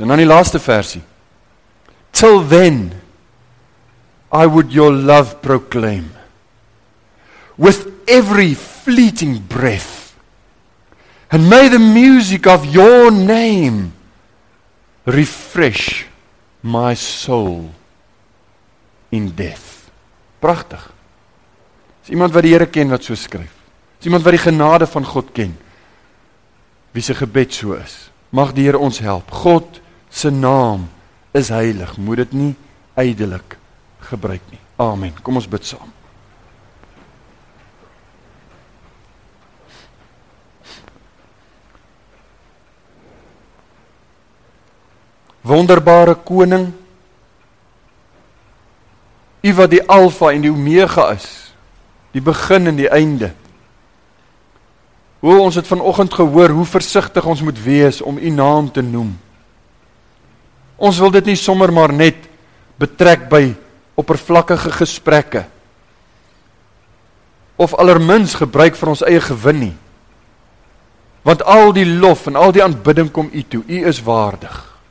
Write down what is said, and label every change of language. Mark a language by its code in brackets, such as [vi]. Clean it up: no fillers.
[af] En dan die laaste versie. [en] Till then, I would your love proclaim. With every fleeting breath. And may the music of your name refresh my soul in death. [af] Prachtig. Is iemand wat die Here ken wat so skryf? Is iemand wat die genade van God ken? Wie se gebed so is? Mag die Here ons help. God se naam is heilig. Moet dit nie ydelik gebruik nie. Amen. Kom ons bid saam. Wonderbare koning, U wat die Alfa en die Omega is, die begin en die einde. O, ons het vanochtend gehoor hoe versigtig ons moet wees om U naam te noem. Ons wil dit nie sommer maar net betrek by oppervlakkige gesprekke of allermins gebruik vir ons eie gewin nie. Want al die lof en al die aanbidding kom U toe, U is waardig.